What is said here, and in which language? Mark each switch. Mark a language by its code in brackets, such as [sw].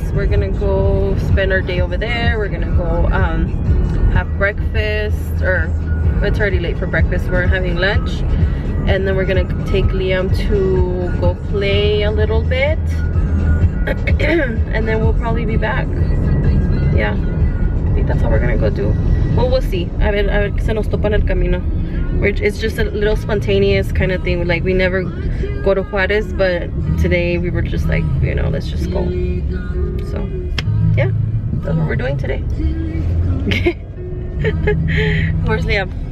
[en] We're gonna go spend our day over there. We're gonna go have breakfast, or it's already late for breakfast. We're having lunch, and then we're gonna take Liam to go play a little bit, and then we'll probably be back. Yeah, I think that's all we're gonna go do. Well, we'll see. [es] A ver, se nos topa en el camino. [en] It's just a little spontaneous kind of thing. Like, we never go to Juarez, but today we were just like, you know, let's just go. So, yeah, that's what we're doing today. Okay. Where's Liam?